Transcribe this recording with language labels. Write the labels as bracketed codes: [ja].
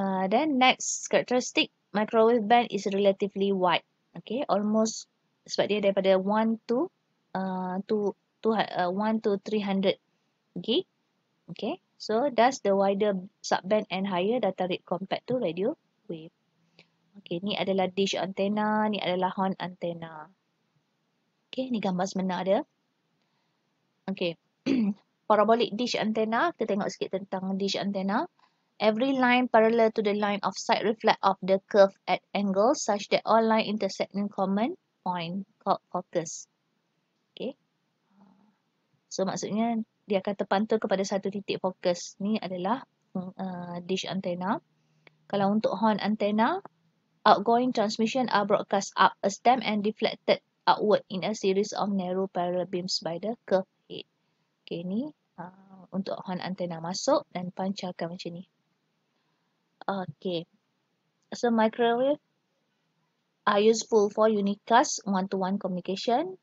[en] Then, next karakteristik, microwave band is relatively wide. [ms] Okay, almost sebab dia daripada 1 to 300 gig. [en] Okay, so thus the wider subband and higher data rate compared to radio wave. [ms] Okay, ni adalah dish antenna, ni adalah horn antenna. Okay, ni gambar sebenar dia. Okay, parabolic dish antenna, kita tengok sikit tentang dish antenna. [en] Every line parallel to the line of sight reflect off the curve at angles such that all line intersect in common point called focus. [ms] Okay. So, maksudnya dia akan terpantul kepada satu titik fokus. Ni adalah dish antenna. Kalau untuk horn antenna, [en] outgoing transmission are broadcast up a stem and deflected outward in a series of narrow parallel beams by the curved head. [ms] Okay, ni untuk horn antena masuk dan pancarkan macam ni. Okay. [en] So, microwave are useful for unicast one-to-one communication.